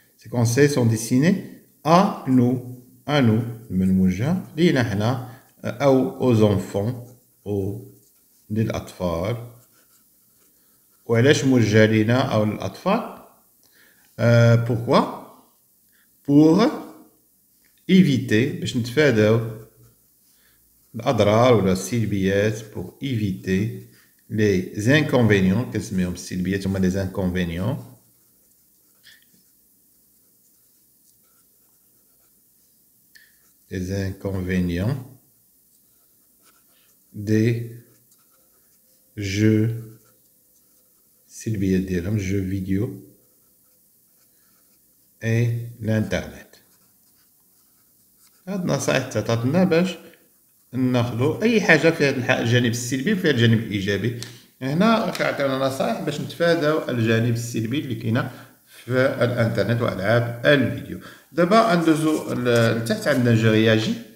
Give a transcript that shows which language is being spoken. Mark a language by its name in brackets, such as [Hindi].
[French] سي كونساي سون ديستيني ا نو، à nous, [Arabic] من موجه لينا حنا، [French] او aux enfants، [Arabic] او للاطفال. وعلاش موجه لينا او للاطفال؟ pourquoi؟ [French] pour éviter، [Arabic] باش نتفاداو الاضرار ولا السلبيات. [French] pour éviter les inconvénients، [Arabic] كنسميهم السلبيات هما [French] les inconvénients. Les inconvénients des jeux, s'il y a des jeux vidéo et l'internet. [Arabic] هذا نصائح تعطاتنا باش ناخذوا اي حاجه فيها الجانب السلبي وفيها الجانب الايجابي. هنا كيعطيونا نصائح باش نتفاداو الجانب السلبي اللي كاين في الانترنت والعاب الفيديو. دابا ندوزو لتحت، عندنا [French] جو رياجي.